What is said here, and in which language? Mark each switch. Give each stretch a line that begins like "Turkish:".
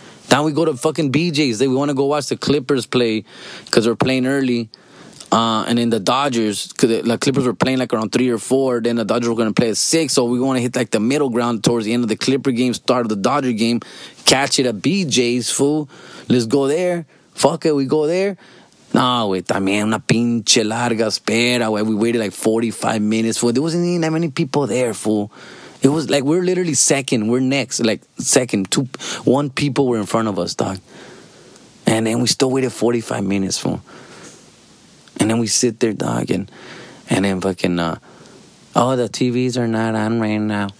English: Now we go to fucking BJ's. We want to go watch the Clippers play because they're playing early. And then the Dodgers, because the Clippers were playing like around 3 or 4, then the Dodgers were going to play at 6, so we want to hit like the middle ground towards the end of the Clipper game, start of the Dodger game, catch it at BJ's, fool. Let's go there. Fuck it, we go there.
Spanish: No, wey, también una pinche larga espera, wey.
English: We waited like 45 minutes, fool. There wasn't even that many people there, fool. It was like, we're literally second. We're next, like second. One people were in front of us, dog. And then we still waited 45 minutes, fool. And then we sit there, dog, and then fucking, the TVs are not on right now.